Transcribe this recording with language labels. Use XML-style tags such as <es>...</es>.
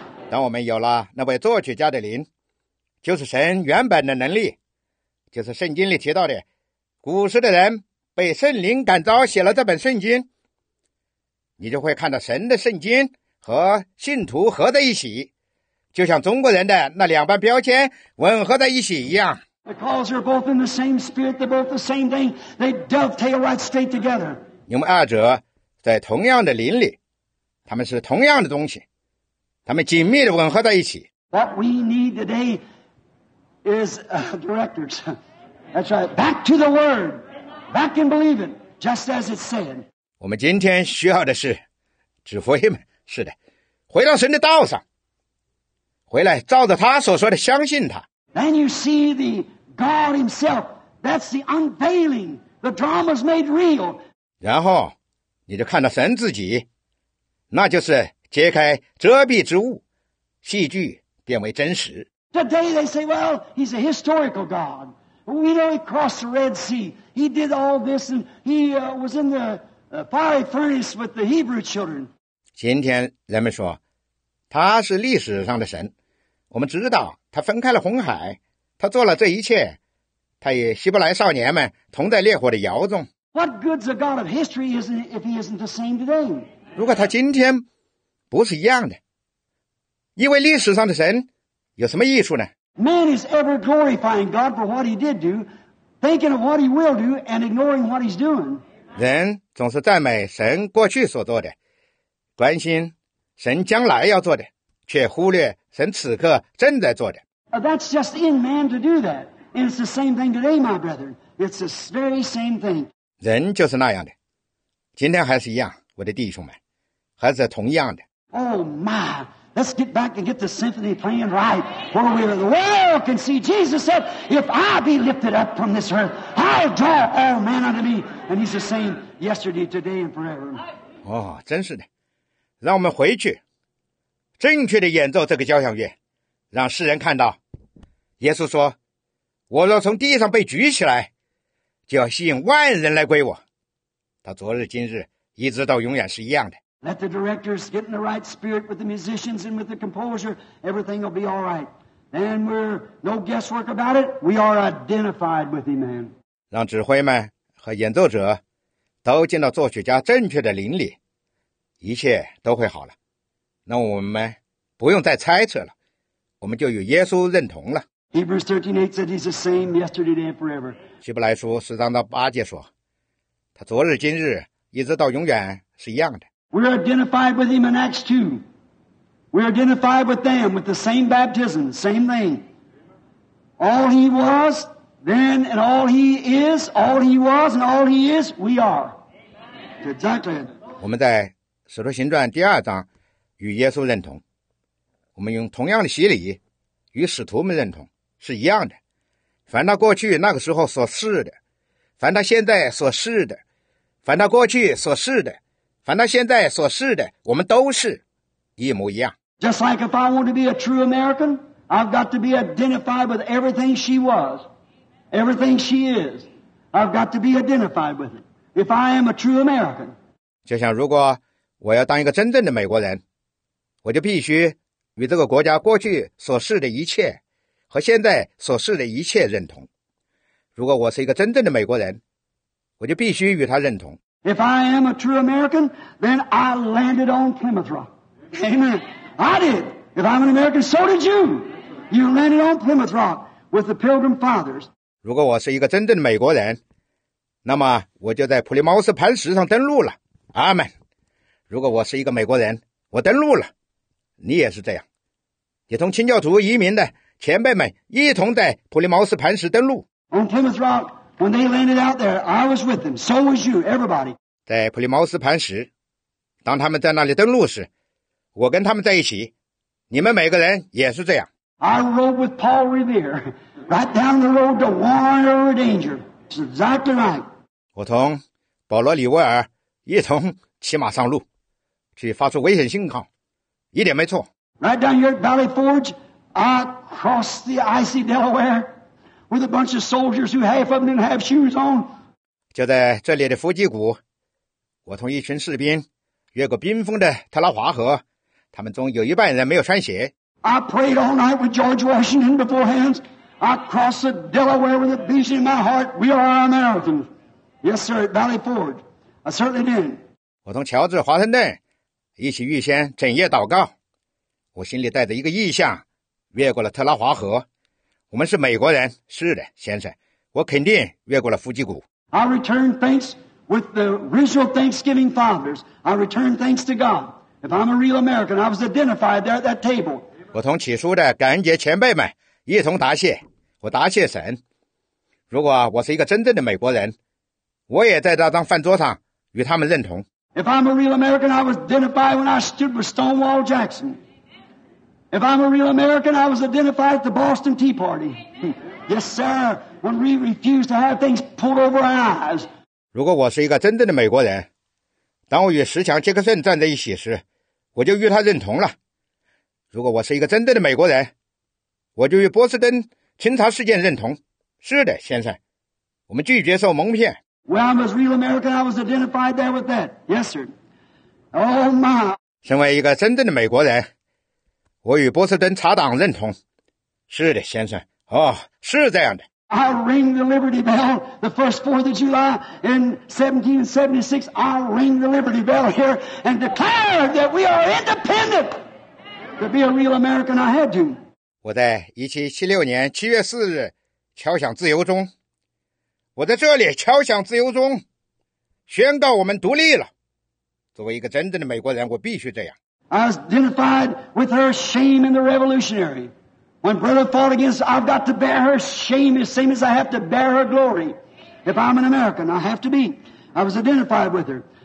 <zh>当我们有了那位作曲家的灵，就是神原本的能力，就是圣经里提到的，古时的人被圣灵感召写了这本圣经。你就会看到神的圣经和信徒合在一起，就像中国人的那两半标签吻合在一起一样。</zh> <en>Because they're both in the same spirit, they're both the same thing. They dovetail right straight together.</en> <zh>你们二者在同样的灵里，他们是同样的东西，他们紧密地吻合在一起。</zh> <en>What we need today is directors. That's right. Back to the word. Back and believe it, just as it said.</en> <zh>我们今天需要的是指挥们，是的，回到神的道上，回来照着他所说的相信他。</zh> <en>Then you see the God himself, that's the unveiling, the drama's made real.</en> <zh>然后你就看到神自己，那就是揭开遮蔽之物，戏剧变为真实。</zh> <en>Today they say, well, he's a historical God. We know he crossed the Red Sea. He did all this and he was in the... fiery furnace with the Hebrew children.</en> <zh>今天人们说他是历史上的神，我们知道他分开了红海，他做了这一切，他与希伯来少年们同在烈火的窑中。</zh> <en>What good's a God of history if he isn't the same today?</en> <zh>如果他今天不是一样的，因为历史上的神有什么益处呢？</zh> <en>Man is ever glorifying God for what he did do, thinking of what he will do and ignoring what he's doing.</en> <zh>人总是赞美神过去所做的，关心神将来要做的，却忽略神此刻正在做的。</zh> <en>That's just in man to do that. And it's the same thing today, my brethren. It's the very same thing.</en> <zh>人就是那样的，今天还是一样，我的弟兄们，还是同样的。</zh> <en>Oh my, let's get back and get the symphony playing right, where we the world can see. Jesus said, if I be lifted up from this earth, I'll draw all men unto me. And he's the same yesterday, today, and forever.</en> <zh>哦，真是的，让我们回去，正确地演奏这个交响乐，让世人看到。耶稣说：“我若从地上被举起来，就要吸引万人来归我。” 他昨日、今日，一直到永远是一样的。</zh> <en>Let the directors get in the right spirit with the musicians and with the composer. Everything will be all right. And we're no guesswork about it. We are identified with him, man.</en> <zh>让指挥们。和演奏者都进到作曲家正确的灵里，一切都会好了。那我们不用再猜测了，我们就与耶稣认同了。</zh> <en>Hebrews 13:8 said he's the same yesterday, today, and forever.</en> <zh>希伯来书4:8说，他昨日、今日，一直到永远是一样的。</zh> <en>We're identified with him in Acts 2. We're identified with them with the same baptism, same name. All he was, then and all he is, all he was, and all he is, we are. Exactly.</en> <zh>我们在《使徒行传》第二章与耶稣认同，我们用同样的洗礼与使徒们认同是一样的。凡他过去那个时候所是的，凡他现在所是的，凡他过去所是的，凡他现在所是的，我们都是一模一样。</zh> <en>Just like if I want to be a true American, I've got to be identified with everything she was, everything she is. I've got to be identified with it. If I am a true American,</en> <zh>就像如果我要当一个真正的美国人，我就必须与这个国家过去所是的一切和现在所是的一切认同。如果我是一个真正的美国人，我就必须与他认同。</zh> <en>If I am a true American, then I landed on Plymouth Rock. Amen. I did. If I'm an American, so did you. You landed on Plymouth Rock with the Pilgrim Fathers.</en> <zh>如果我是一个真正的美国人，那么我就在普利茅斯磐石上登陆了。阿们。如果我是一个美国人，我登陆了。你也是这样。你同清教徒移民的前辈们一同在普利茅斯磐石登陆。</zh> <en>On Plymouth Rock, when they landed out there, I was with them. So was you, everybody.</en> <zh>在普利茅斯磐石，当他们在那里登陆时，我跟他们在一起，你们每个人也是这样。</zh> <en>I rode with Paul Revere, right down the road to warn our danger. It's exactly right.</en> <zh>我同保罗·里威尔一同骑马上路，去发出危险信号，一点没错。</zh> <en>Right down here at Valley Forge, I crossed the icy Delaware with a bunch of soldiers who half of them didn't have shoes on.</en> <zh>就在这里的伏击谷，我同一群士兵越过冰封的特拉华河。他们中有一半人没有穿鞋。</zh> <en>I prayed all night with George Washington beforehand. I crossed the Delaware with a vision in my heart. We are Americans. Yes, sir, at Valley Forge. I certainly did.</en> <zh>我同乔治·华盛顿一起预先整夜祷告。我心里带着一个意象，越过了特拉华河。我们是美国人，是的，先生。我肯定越过了伏击谷。</zh> <en>I returned thanks with the original Thanksgiving fathers. I returned thanks to God. If I'm a real American, I was identified there at that table.</en> <zh>我同起初的感恩节前辈们一同答谢，我答谢神。如果我是一个真正的美国人，我也在那张饭桌上与他们认同。</zh> <en>If I'm a real American, I was identified when I stood with Stonewall Jackson. If I'm a real American, I was identified at the Boston Tea Party. Yes, sir, when we refused to have things pulled over our eyes.</en> <zh>如果我是一个真正的美国人，当我与石墙杰克逊站在一起时，我就与他认同了。如果我是一个真正的美国人，我就与波士顿清查事件认同。是的，先生，我们拒绝受蒙骗。</zh> <en>Well, I'm a real American. I was identified there with that. Yes, sir. Oh my.</en> <zh>身为一个真正的美国人，我与波士顿查党认同。是的，先生。哦，是这样的。</zh> <en>I ring the Liberty Bell the first 4th of July in 1776. I ring the Liberty Bell here and declare that we are independent. To be a real American, I had to.</en> <zh>我在1776年7月4日敲响自由钟。我在这里敲响自由钟，宣告我们独立了。作为一个真正的美国人，我必须这样。</zh> <en>I was identified with her shame in the revolutionary. When brother fought against, I've got to bear her shame the same as I have to bear her glory. If I'm an American, I have to be. I was identified with her.</en>